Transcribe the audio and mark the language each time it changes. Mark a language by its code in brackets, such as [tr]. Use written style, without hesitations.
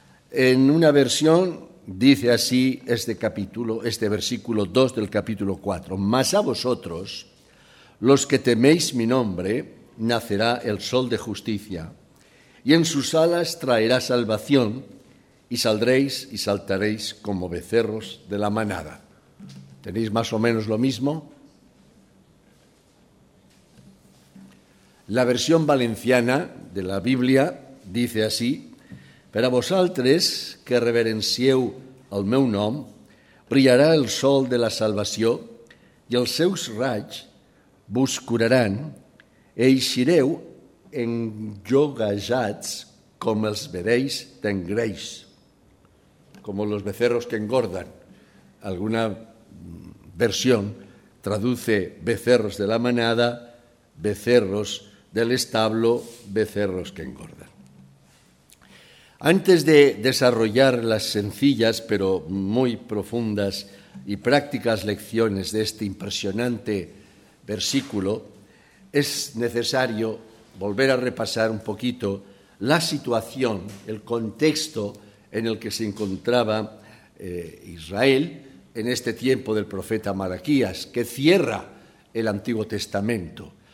[es] En una versión dice así este capítulo, este versículo 2 del capítulo 4: «Mas a vosotros, los que teméis mi nombre, nacerá el sol de justicia, y en sus alas traerá salvación, y saldréis y saltaréis como becerros de la manada». ¿Tenéis más o menos lo mismo? [ca] La versión valenciana de la Biblia dice así: «Per a vosaltres que reverencieu el meu nom, brillarà el sol de la salvació i els seus raigs vos curaran e eixireu enjogajats com els vedells d'engreix». [es] Como los becerros que engordan. Alguna versión traduce becerros de la manada, becerros del establo, becerros que engordan. Antes de desarrollar las sencillas pero muy profundas y prácticas lecciones de este impresionante versículo, es necesario volver a repasar un poquito la situación, el contexto en el que se encontraba Israel en este tiempo del profeta Malaquías, que cierra el Antiguo Testamento.